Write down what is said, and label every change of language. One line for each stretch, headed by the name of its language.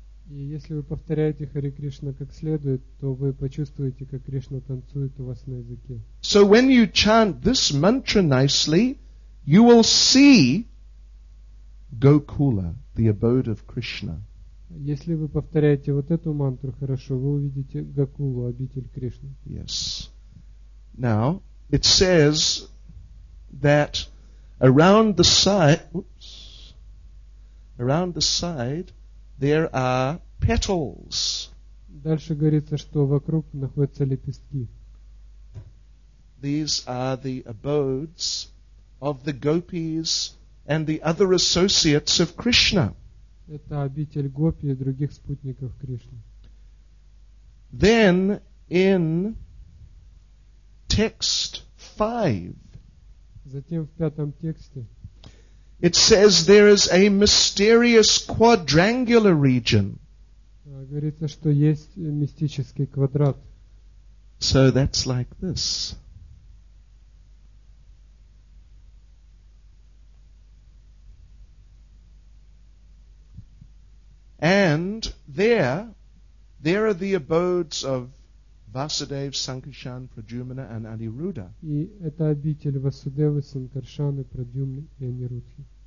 Russian: И если вы повторяете Хари Кришна как следует, то вы почувствуете, как Кришна танцует у вас на языке.
English: So when you chant this mantra nicely, you will see Gokula, the abode of Krishna.
Russian: Если вы повторяете вот эту мантру хорошо, вы увидите Гокулу, обитель Кришны.
English: Yes. Now, it says that Around the side, there are petals.
Russian: Дальше говорится, что вокруг находятся лепестки.
English: These are the abodes of the gopis and the other associates of Krishna.
Russian: Это обитель гопи и других спутников Кришны.
English: Then in text 5.
Russian: Затем в пятом тексте.
English: It says there is a mysterious quadrangular region.
Russian: Говорится, что есть мистический квадрат.
English: So that's like this. And there are the abodes of Vasudev, Sankarshan, Pradyumna, and Aniruddha.
Russian: И это обитель Васудевы, Санкаршаны, Прадюмны и Анируддхи.